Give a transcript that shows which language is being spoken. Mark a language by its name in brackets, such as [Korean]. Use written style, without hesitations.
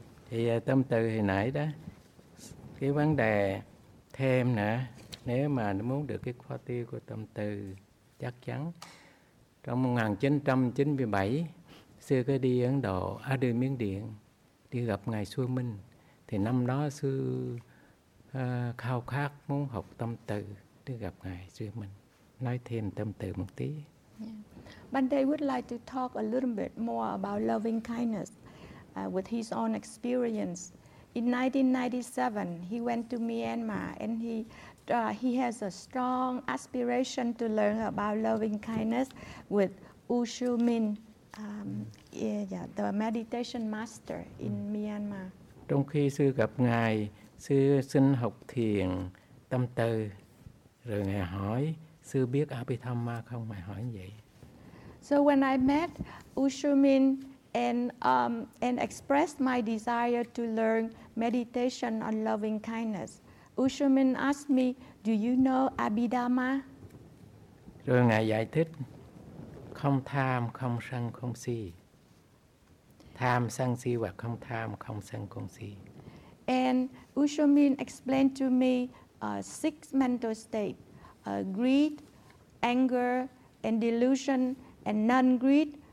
[Vietnamese] Thì tâm từ hồi nãy đó, cái vấn đề thêm nữa, nếu mà muốn được cái khóa tu của tâm từ chắc chắn. Trong 1997, sư có đi Ấn Độ, đưa Miến Điện, đi gặp Ngài Xuân Minh. Thì năm đó sư khao khát muốn học tâm từ, đi gặp Ngài Xuân Minh. Nói thêm tâm từ một tí. [English] Bhante would like to talk a little bit more about loving kindness. With his own experience. In 1997, he went to Myanmar and he has a strong aspiration to learn about loving kindness with Ushu Min, the meditation master in Myanmar. [Vietnamese] Trong khi sư gặp Ngài, sư xin học thiền tâm từ, rồi Ngài hỏi, sư biết Abhidhamma không? Mày hỏi như vậy. [English] So when I met Ushu Min, and expressed my desire to learn meditation on loving kindness. Ushu Min asked me, "Do you know Abhidhamma?" [Vietnamese] Rồi Ngài giải thích, không tham, không sân, không si. Tham, sân, si và không tham, không sân, không si. [English] And Ushu Min explained to me six mental states: greed, anger, and delusion, and non-greed.